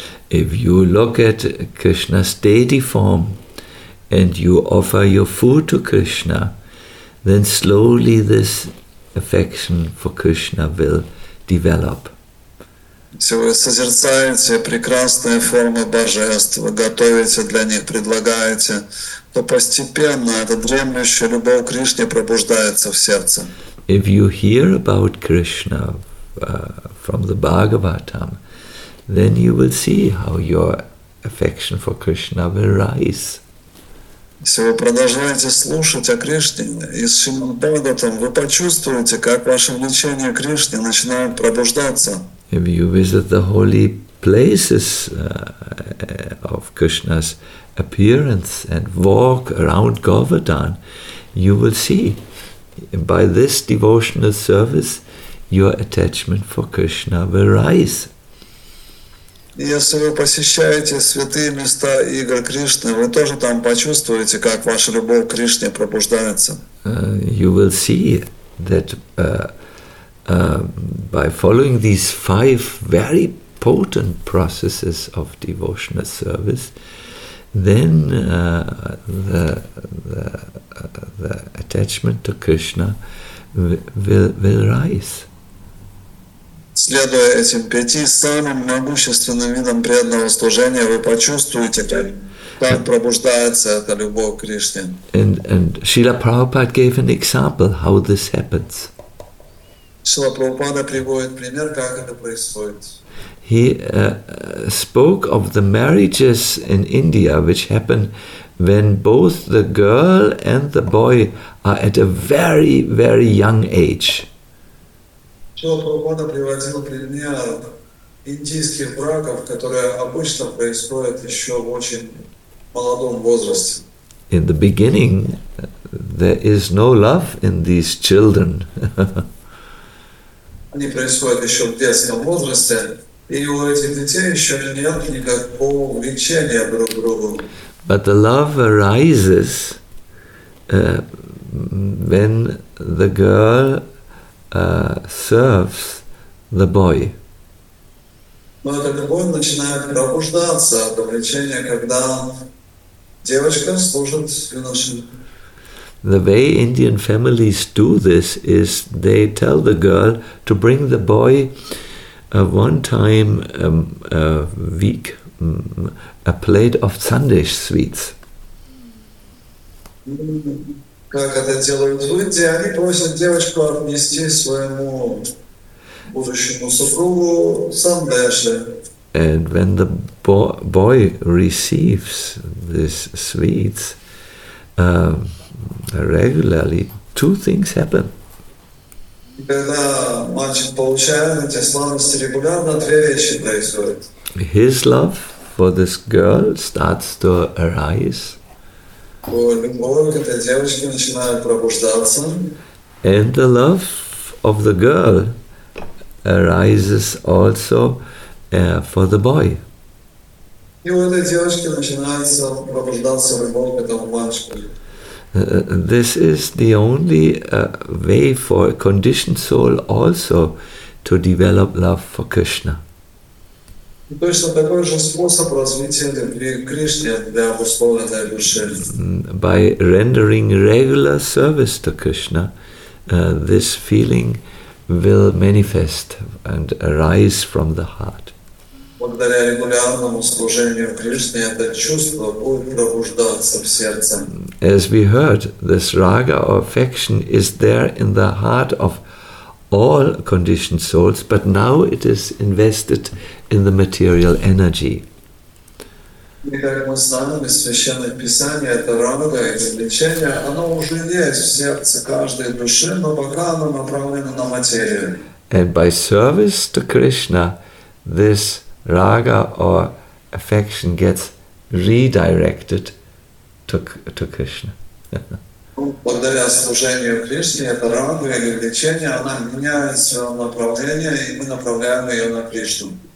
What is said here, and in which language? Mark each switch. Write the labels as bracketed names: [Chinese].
[English] If you look at Krishna's deity form and you offer your food to Krishna, then slowly this affection for Krishna will develop. [Russian] Если вы созерцаете прекрасные формы божества, готовите для них, предлагаете, то постепенно эта дремлющая любовь к Кришне пробуждается в сердце. [English] If you hear about Krishna from the Bhagavatam, then you will see how your affection for Krishna will rise. [Russian] Если вы продолжаете слушать о Кришне и Шримад Бхагаватам, вы почувствуете, как ваше влечение к Кришне начинает пробуждаться. [English] If you visit the holy places of Krishna's appearance and walk around Govardhan, you will see by this devotional service your attachment for Krishna will rise. [Russian] Если вы посещаете святые места игр Кришны, вы тоже там почувствуете, как ваша любовь к Кришне пробуждается. [English] You will see that by following these five very potent processes of devotional service, then the attachment to Krishna will rise. [Russian] Следуя этим пяти самым могущественным видам преданного служения, вы почувствуете, как пробуждается эта любовь к Кришне. [English] And Srila Prabhupada gave an example how this happens. [Russian] Srila Prabhupada приводит пример, как это происходит. [English] He spoke of the marriages in India which happen when both the girl and the boy are at a very, very young age. [Russian] Шрила Прабхупада приводил пример индийских браков, которые обычно происходят еще в очень молодом возрасте. [English] In the beginning, there is no love in these children. [Russian] Они происходят еще в детском возрасте, и у этих детей еще нет никакого увлечения друг к другу. [English] But the love arises when the girl serves the boy. [Russian] Но эта любовь начинает пробуждаться от увлечения, когда девочка служит юношам. [English] The way Indian families do this is they tell the girl to bring the boy one time a week a plate of sandesh sweets. [Russian] Как это делают в Индии, они просят девочку отнести своему будущему супругу сандеши. [English] And when the boy receives these sweets regularly, two things happen. [Russian] Когда мальчик получает эти сладости регулярно, две вещи происходят. [English] His love for this girl starts to arise. [Russian] Любовь к этой девочке начинает пробуждаться. [English] And the love of the girl arises also for the boy. [Russian] И у этой девочки начинается пробуждаться любовь к этому мальчику. [English] This is the only way for a conditioned soul also to develop love for Krishna. [Russian] Точно такой же способ развития любви к Кришне для обусловленной души. [English] By rendering regular service to Krishna, this feeling will manifest and arise from the heart. [Russian] Благодаря регулярному служению Кришне это чувство будет пробуждаться в сердце. [English] As we heard, this raga or affection is there in the heart of all conditioned souls, but now it is invested in the material energy. [Russian] И как мы знаем из Священного Писания, это рага и увлечение, оно уже есть в сердце каждой души, но пока оно направлено на материю. [English] And by service to Krishna, this raga or affection gets redirected to Krishna. [Russian] Благодаря служению Кришне, это рага или увлечение, она меняет свое направление, и мы направляем ее на Кришну.